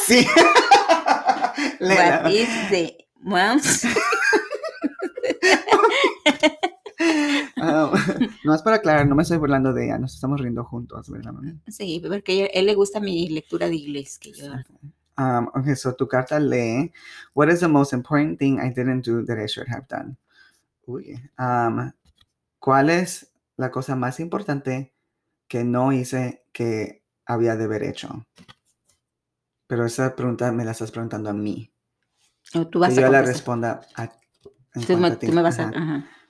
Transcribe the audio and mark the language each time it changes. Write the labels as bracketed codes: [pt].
[es] Sí. Léela. [en] What is the mom's... [es] No es para aclarar, no me estoy burlando de ella, nos estamos riendo juntos, ¿verdad, mamá? Sí, porque a él le gusta mi lectura de inglés que yo hago. [en] Ok, so [es] tu carta lee: [en] What is the most important thing I didn't do that I should have done? [es] Uy, ¿cuál es la cosa más importante que no hice que había de haber hecho? Pero esa pregunta me la estás preguntando a mí. O tú vas que a yo la responda a ti. Tú me vas a... Ajá.